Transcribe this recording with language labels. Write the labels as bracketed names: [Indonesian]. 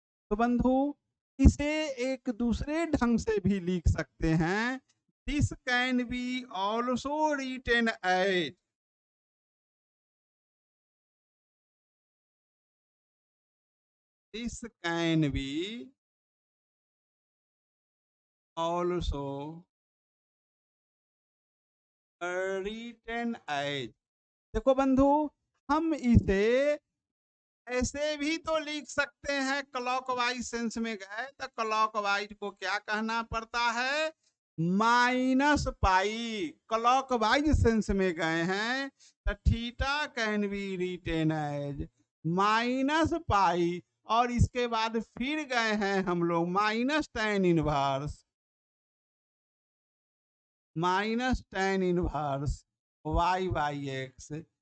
[Hindi] तो बंधु इसे एक दूसरे ढंग से भी लिख सकते हैं, [English] This can be also written as this can be also written as. [Hindi] देखो बंधु, हम इसे ऐसे भी तो लिख सकते हैं, क्लॉकवाइज सेंस में गए तो क्लॉकवाइज को क्या कहना पड़ता है, माइनस पाई. क्लॉकवाइज सेंस में गए हैं तो [English] theta can be written as minus pi, [Hindi] और इसके बाद फिर गए हैं हम लोग minus tan inverse, minus tan inverse Y by x.